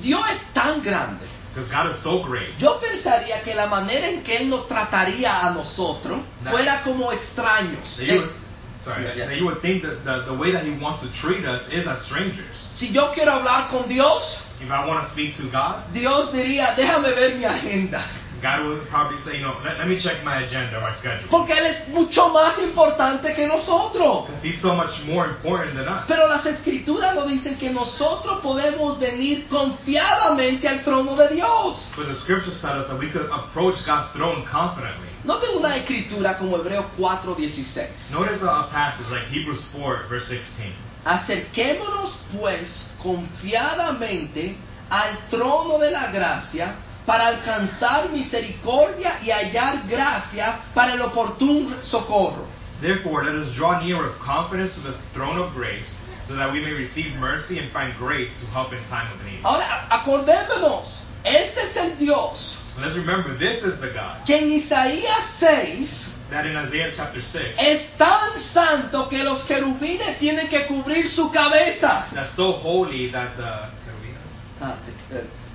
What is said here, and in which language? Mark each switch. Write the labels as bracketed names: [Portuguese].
[Spanish] Dios es tan grande. [English] Because God is so great. [Spanish] Yo pensaría que la manera en que Él nos trataría a nosotros [English] that, [Spanish] fuera como extraños. [English] That you would think that the way that He wants to treat us is as strangers. [Spanish] Si yo quiero hablar con Dios, [English] if I want to speak to God, [Spanish] Dios diría, déjame ver mi agenda. [English] God would probably say, you know, let me check my agenda, my schedule. [Spanish] Porque Él es mucho más importante que nosotros. [English] Because He's so much more important than us. [Spanish] Pero las Escrituras nos dicen que nosotros podemos venir confiadamente al trono de Dios. [English] But the Scriptures tell us that we could approach God's throne confidently. [Spanish] Noten una Escritura como Hebreos 4:16. [English] Notice a passage like Hebrews 4, verse 16. [Spanish] Acerquémonos, pues, confiadamente al trono de la gracia, para alcanzar misericordia y hallar gracia para el oportuno socorro. [English] Therefore, let us draw near with confidence to the throne of grace, so that we may receive mercy and find grace to help in time of need. [Spanish] Ahora, acordémonos, este es el Dios. [English] Let's remember, this is the God. [Spanish] Que en Isaías 6, [English] that in Isaiah chapter 6, [Spanish] es tan santo que los querubines tienen que cubrir su cabeza. [English] That's so holy that the querubines.